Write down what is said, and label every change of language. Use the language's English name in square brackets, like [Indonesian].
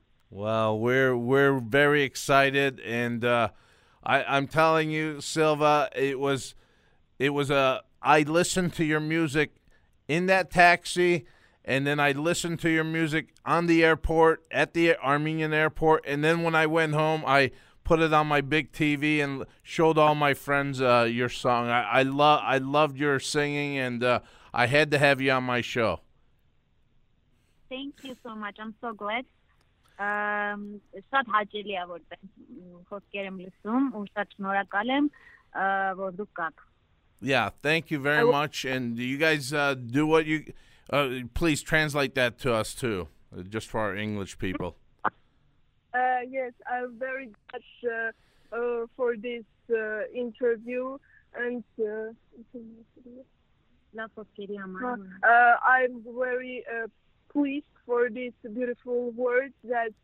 [English] Well, we're very excited, and I'm telling you, Silva, I listened to your music in that taxi, and then I listened to your music on the airport, at the Armenian airport, and then when I went home, I put it on my big TV and showed all my friends your song. I loved your singing, and I had to have you on my show. Thank you so much. I'm so glad. [Armenian] Շատ հաճելի է, որ խոսքեր եմ լսում, ու շատ շնորհակալ եմ, որ դուք կաք. [English] Yeah, thank you very much. And you guys do what you... please translate that to us, too, just for our English people. Yes, I'm very glad for this interview, and I'm very pleased for this beautiful word that.